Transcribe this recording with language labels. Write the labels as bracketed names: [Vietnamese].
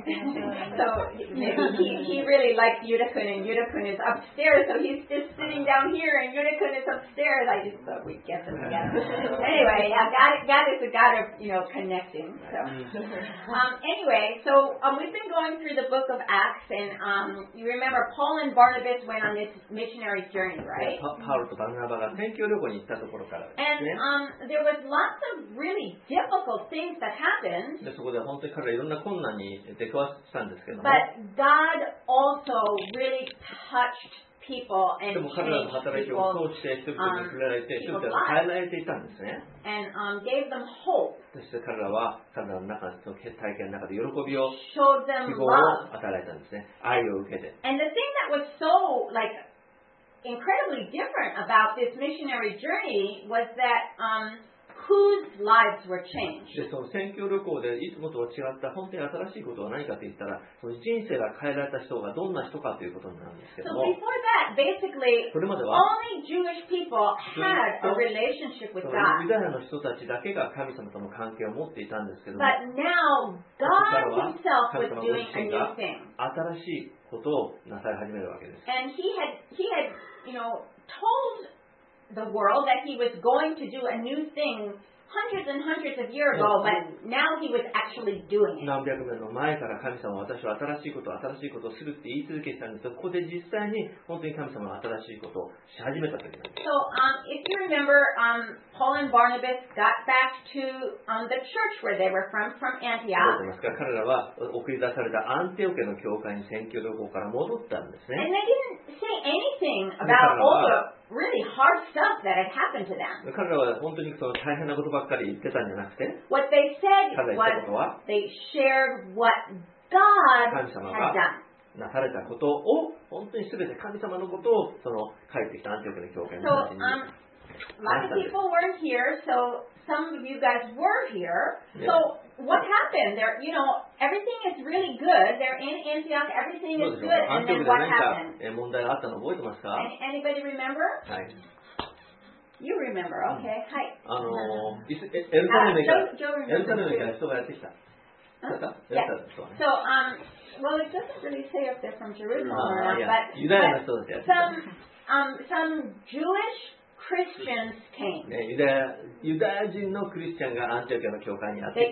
[English] So maybe he really liked Yuna-kun, and Yuna-kun is upstairs, so he's just sitting down here, and Yuna-kun is upstairs. I just thought we'd get them together. Anyway, God is a God of, you know, connecting. So. Anyway, so we've been going through the book of Acts, and you remember Paul and Barnabas went on this missionary journey, right? [Japanese] Paul and Barnabas が宣教旅行に行ったところからですね。 [English] There was lots of really difficult things that happened. [Japanese] そこで本当に彼はいろんな困難に出くわしたんですけども。 [English] But God also really touched people and gave them hope. [Japanese] そして彼らは彼らの中の体験の中で喜びを、 [English] showed them love. [Japanese] 希望を与えたんですね。愛を受けて。 [English] And the thing that was so incredibly different about this missionary journey was that whose lives were changed. [Japanese] で、その宣教旅行でいつもとは違った本当に新しいことは何かと言ったら、その人生が変えられた人がどんな人かということになるんですけども。 [English] So before that, basically, [Japanese] それまでは、 [English] only Jewish people had a relationship with God. [Japanese] ユダヤの人たちだけが神様との関係を持っていたんですけども。 [English] But now, God Himself was doing a new thing. [Japanese] 新しいことをなさり始めるわけです。 [English] And he had, you know, told the world that he was going to do a new thing hundreds and hundreds of years ago, but now he was actually doing it. [Japanese] 何百年の前から神様は私は新しいことをするって言い続けてたんですが、ここで実際に本当に神様は新しいことをし始めたときなんです。 [English] So, if you remember, Paul and Barnabas got back to the church where they were from Antioch. [Japanese] 覚えてますか？彼らは送り出されたアンティオケの教会に宣教旅行から戻ったんですね。 [English] And they didn't say anything about all the really hard stuff that had happened to them. [Japanese] 彼らは本当にその大変なことばっかり言ってたんじゃなくて、 [English] what they said was they shared what God had done. [Japanese] 神様がなされたことを本当にすべて神様のことをその帰ってきたアンティオケの教会の中に。 [English] Lots of people weren't here, so some of you guys were here. So what happened? There, you know, everything is really good. They're in Antioch. Everything is good. And then what happened? [Japanese] 問題があったの覚えてますか? [English] Anybody remember? [Japanese] はい。 [English] You remember? Okay. [Japanese] はい。エルサレムから、エルサレムから人がやってきた。 [English] Yeah. So, well, it doesn't really say if they're from Jerusalem or not, but [Japanese] ユダヤの人たちやってきた。 [English] Some Jewish Christians came. [Japanese] ユダヤ人のクリスチャンがアンティオキアの教会にやって